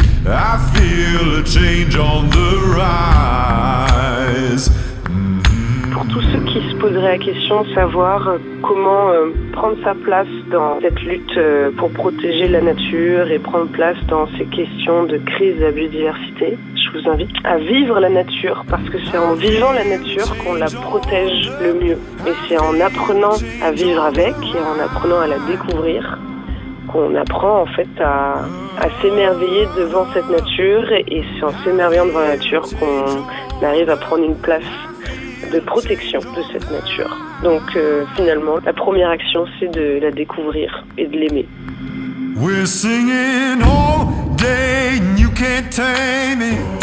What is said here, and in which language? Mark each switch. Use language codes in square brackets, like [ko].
[en] I feel a change on the rise. [fr] Pour tous ceux qui se poseraient la question de savoir comment prendre sa place dans cette lutte pour protéger la nature et prendre place dans ces questions de crise de la biodiversité, je vous invite à vivre la nature, parce que c'est en vivant la nature qu'on la protège le mieux. Et c'est en apprenant à vivre avec et en apprenant à la découvrir qu'on apprend en fait à s'émerveiller devant cette nature, et c'est en s'émerveillant devant la nature qu'on arrive à prendre une place de protection de cette nature. Donc finalement, la première action, c'est de la découvrir et de l'aimer. [en] We're singing all day, you can't tame it.